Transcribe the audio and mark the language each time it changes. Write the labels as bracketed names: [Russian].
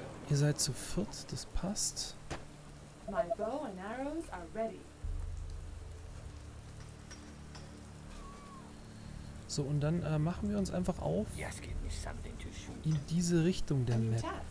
[German] Ihr seid zu viert, das passt. [English] My bow and arrows are ready. [German] So, und dann machen wir uns einfach auf in diese Richtung der Map.